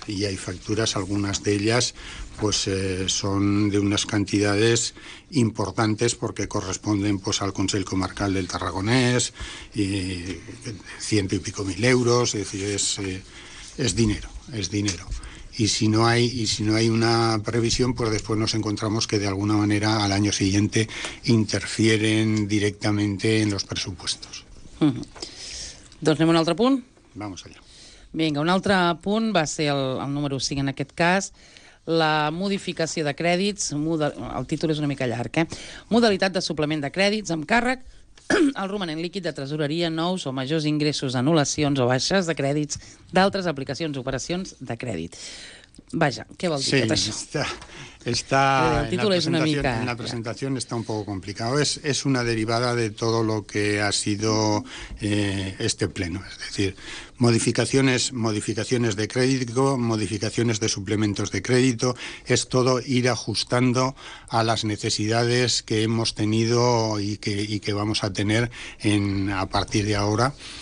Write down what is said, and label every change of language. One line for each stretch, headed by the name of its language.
Spanish: Y hay facturas, algunas de ellas, pues son de unas cantidades importantes porque corresponden pues al Consell Comarcal del Tarragonés, y 100 y pico mil euros, es decir, es dinero. Y si no hay una previsión, pues después nos encontramos que de alguna manera al año siguiente interfieren directamente en los presupuestos.
Catalan: Doncs anem a un altre punt?
Spanish: Vamos allá.
Catalan: Vinga, un altre punt va ser el número 5 en aquest cas, la modificació de crèdits, el títol és una mica llarg, Modalitat de suplement de crèdits amb càrrec al romanent líquid de tresoreria, nous o majors ingressos, anul·lacions o baixes de crèdits d'altres aplicacions, operacions de crèdit. Vaja, què vol dir sí, tot això? Está el títol és una mica... En la presentació està un poc complicat. És una derivada de tot el que
Spanish: ha sido este pleno.
Catalan: És a dir,
Spanish: modificaciones de crédito, modificaciones de suplementos de crédito, es todo ir ajustando a las necesidades que hemos tenido y que vamos a tener a partir de ahora.